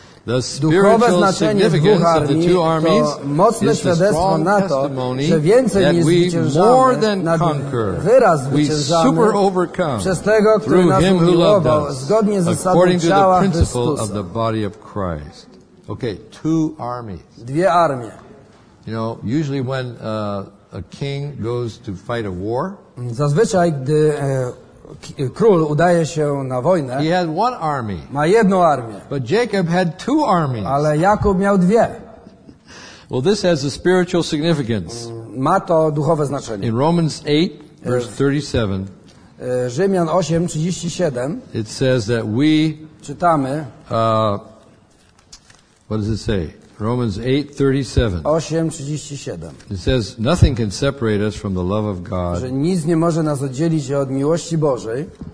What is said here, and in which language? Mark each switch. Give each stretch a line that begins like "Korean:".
English: The spiritual significance of the two armies is the strong testimony that we more than conquer, we super overcome through him who loved us, according to the principle of the body of Christ. Okay, two armies.
Polish: Dwie armie.
English: You know, usually when a king goes to fight a war,
Polish: zazwyczaj gdy król udaje się na wojnę.
English: He had one army.
Polish: Ma jedną armię.
English: But Jacob had two armies.
Polish: Ale Jakub miał dwie.
English: Well, this has a spiritual significance.
Polish: Ma to duchowe znaczenie.
English: In Romans 8, verse 37.
Polish: Rzymian 8, 37.
English: It says that we.
Polish: Czytamy.
English: What does it say? Romans 8, 37.
Polish: 8, 37.
English: It says, nothing can separate us from the love of God.
Polish: Że nic nie może nas oddzielić od miłości Bożej.